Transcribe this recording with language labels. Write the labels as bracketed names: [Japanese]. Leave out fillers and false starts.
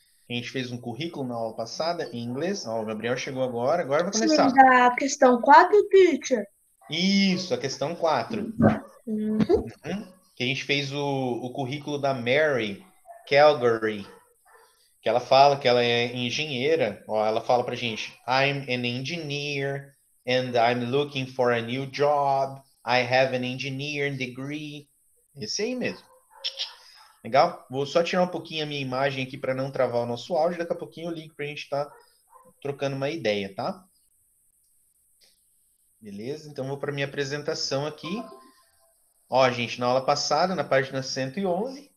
[Portuguese] A gente fez um currículo na aula passada em inglês. Ó, o Gabriel chegou agora, agora vai Sim, começar. da questão 4, teacher. Isso, a questão 4. Que a gente fez o currículo da Mary Calgary, que ela fala que ela é engenheira. Ó, ela fala pra gente: [English] I'm an engineer and I'm looking for a new job. I have an engineering degree. [Portuguese] Esse aí mesmo. Legal? Vou só tirar um pouquinho a minha imagem aqui para não travar o nosso áudio. Daqui a pouquinho eu ligo pra gente estar trocando uma ideia, tá? Beleza? Então vou para minha apresentação aqui. Ó, gente, na aula passada, na página 111.